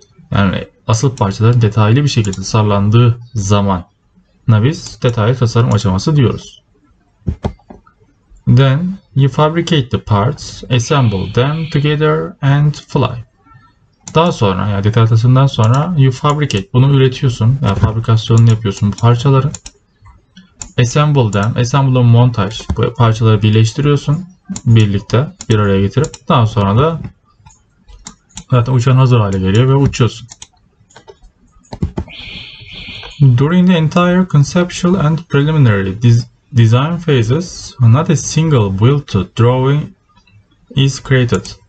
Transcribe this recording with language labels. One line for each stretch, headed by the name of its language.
Turkish: Yani asıl parçaların detaylı bir şekilde tasarlandığı zaman. Biz detaylı tasarım aşaması diyoruz.
English: Then you fabricate the parts, assemble them together and fly.
Turkish: Daha sonra ya yani detay tasarımından sonra
English: you fabricate
Turkish: bunu üretiyorsun. Ya yani fabrikasyonunu yapıyorsun bu parçaları.
English: Assemble them, assemble
Turkish: montaj. Bu parçaları birleştiriyorsun birlikte bir araya getirip daha sonra da zaten uçağın hazır hale geliyor ve uçuyorsun.
English: During the entire conceptual and preliminary design phases, not a single built drawing is created.